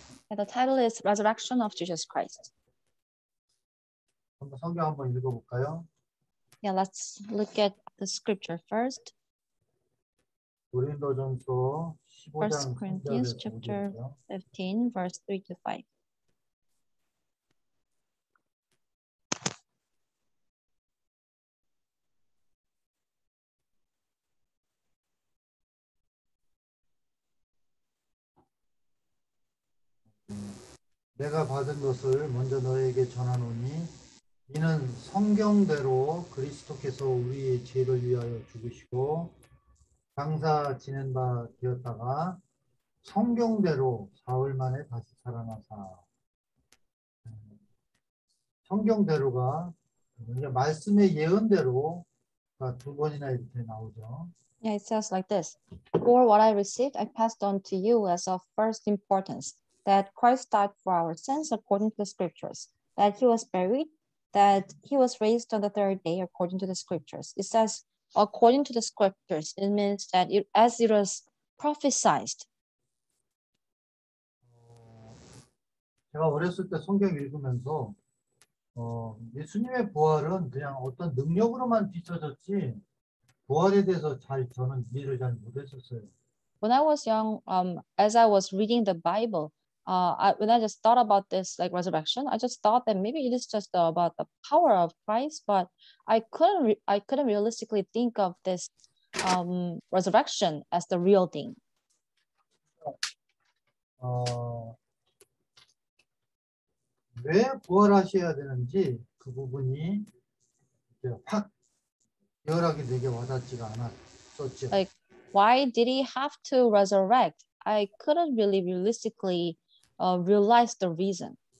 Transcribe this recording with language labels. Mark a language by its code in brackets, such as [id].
[en] Yeah, the title is Resurrection of Jesus Christ. [ko] 한번 성경 한번 읽어볼까요? [en] Yeah, let's look at the scripture first. [ko] 고린도전서 15장 [en] Corinthians [ko] 3절에 [en] chapter 15, verse 3 to 5. [ko] 내가 받은 것을 먼저 너에게 전하노니 이는 성경대로 그리스도께서 우리의 죄를 위하여 죽으시고 장사 지낸 바 되었다가 성경대로 사흘 만에 다시 살아나사 성경대로가 말씀의 예언대로 두 번이나 이렇게 나오죠. [en] Yeah, it says like this. For what I received, I passed on to you as of first importance. That Christ died for our sins according to the scriptures, that he was buried, that he was raised on the third day according to the scriptures. It says, according to the scriptures, it means that it, as it was prophesied. [ko] 제가 어렸을 때 성경 읽으면서 예수님의 부활은 그냥 어떤 능력으로만 비춰졌지 부활에 대해서 잘 저는 이해를 잘 못했었어요. [en] When I was young, as I was reading the Bible, when I just thought about this like resurrection, I just thought that maybe it is just about the power of Christ, but I couldn't realistically think of this resurrection as the real thing. [ko] 왜 부활하셔야 되는지 그 부분이 확 열하게 되게 와닿지가 않았었죠. [en] Like, why did he have to resurrect? I couldn't really realistically realize the reason.